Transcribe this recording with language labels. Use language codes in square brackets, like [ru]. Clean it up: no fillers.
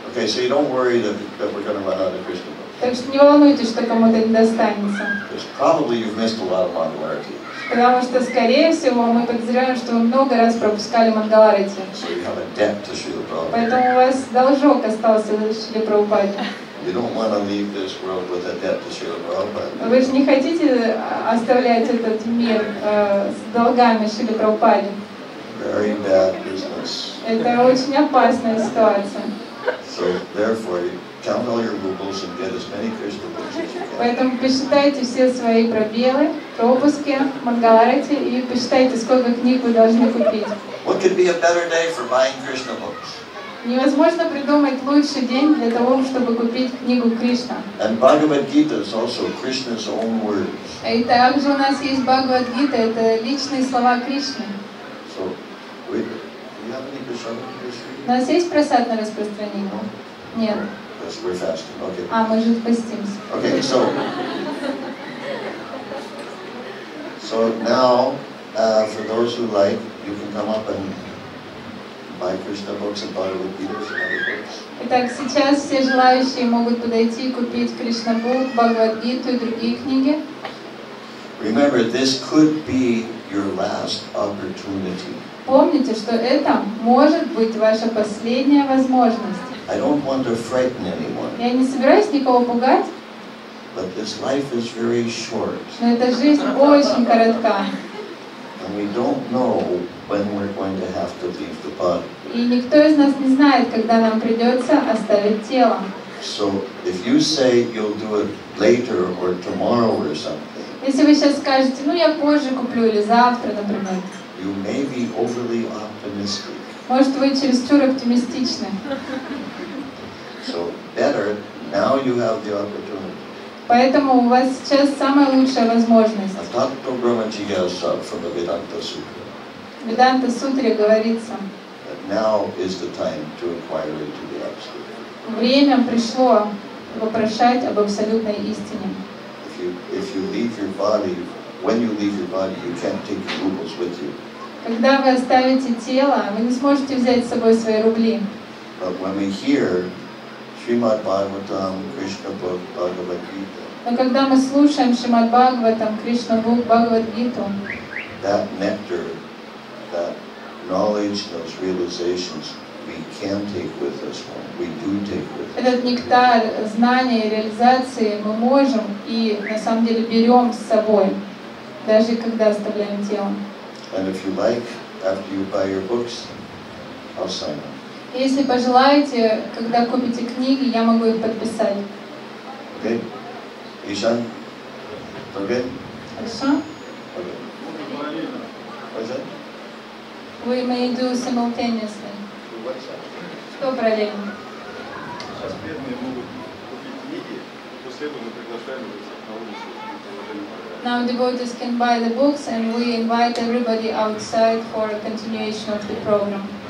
[en] Okay, so you don't worry that we're going to run out of Krishna books. [ru] Так что не волнуйтесь, что кому-то не достанется. [en] Because probably you've missed a lot of Mangalarati. [ru] Потому что, скорее всего, мы подозреваем, что вы много раз пропускали Мангаларати. [en] So you have a debt to Шрила Прабхупада. [ru] Поэтому у вас должок остался за Шрила Прабхупада. [en] You don't want to leave this world with a debt to Srila Prabhupada. [ru] Вы же не хотите оставлять этот мир с долгами Шрила Прабхупаде. [en] Very bad business. [ru] Это очень опасная ситуация. [en] So therefore, count all your rubles and get as many Krishna books as you can. [ru] Поэтому посчитайте все свои пробелы, пропуски, Мангаларати и посчитайте, сколько книг вы должны купить. [en] What could be a better day for buying Krishna books? [ru] Невозможно придумать лучший день для того, чтобы купить книгу Кришна. [en] And Bhagavad Gita is also Krishna's own words. [ru] И также у нас есть Бхагавад Гита, это личные слова Кришны. [en] So, do you have any prasad in Krishna? [ru] У нас есть прасад на распространение? [en] No. [ru] Нет. [en] Because we're fasting, okay. [ru] А, мы же постимся. [en] Okay, so now, for those who like, you can come up and buy Krishna books and Bhagavad Gita and other books. [ru] Итак, сейчас все желающие могут подойти и купить Кришна Бук, Бхагавад Гиту и другие книги. [en] Remember, this could be your last opportunity. [ru] Помните, что это может быть ваша последняя возможность. [en] I don't want to frighten anyone. [ru] Я не собираюсь никого пугать. [en] But this life is very short. [ru] Но эта жизнь очень коротка. [en] And we don't know when we're going to have to leave the body. [ru] И никто из нас не знает, когда нам придется оставить тело. [en] So if you say you'll do it later or tomorrow or something. [ru] Если вы сейчас скажете, ну я позже куплю или завтра, например. [en] You may be overly optimistic. [ru] Может вы чересчур оптимистичны. [en] So better now you have the opportunity. [ru] Поэтому у вас сейчас самая лучшая возможность. А так то Брахмачарья [en] from the Vedanta Sutra. [ru] В Веданта Сутре говорится. [en] That now is the time to inquire into the absolute. [ru] Время пришло вопрошать об абсолютной истине. [en] If you leave your body, when you leave your body, you can't take your rubles with you. [ru] Когда вы оставите тело, вы не сможете взять с собой свои рубли. [en] But when we hear Shrimad Bhagavatam, Krishna Book, Bhagavad Gita. [ru] Но когда мы слушаем Шримад Бхагаватам, Кришна Бук, Бхагавад Гиту, [en] that nectar, that knowledge, those realizations, we can take with us. We do take with us. [ru] Этот нектар знания и реализации мы можем и на самом деле берем с собой, даже когда оставляем тело. [en] And if you like, after you buy your books, I'll sign them. [ru] Если пожелаете, когда купите книги, я могу их подписать. Окей. Ишан? Окей? Ишан? Окей. Что? [en] We may do simultaneously. [ru] Что параллельно? Сейчас бедные могут купить книги, после этого мы приглашаем их на улицу. [en] Now devotees can buy the books and we invite everybody outside for a continuation of the program.